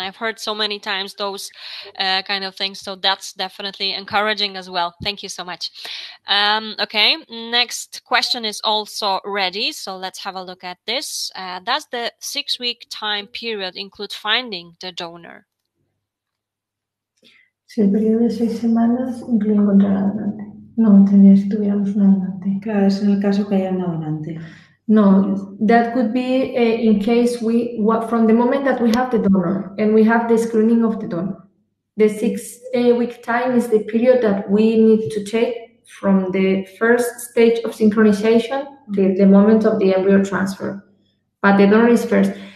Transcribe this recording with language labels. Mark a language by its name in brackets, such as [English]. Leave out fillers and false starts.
[English] I've heard so many times those kind of things, so that's definitely encouraging as well. Thank you so much. Okay, next question is also ready, so let's have a look at this. Does the 6-week time period include finding the donor? [Spanish] Sí, el periodo de 6 semanas incluye encontrar al donante. No, tendría si tuviéramos un donante. Claro, es en el caso que haya un donante. [English] No, that could be in case we, what, from the moment that we have the donor and we have the screening of the donor, the 6-week time is the period that we need to take from the first stage of synchronization to the moment of the embryo transfer. But the donor is first.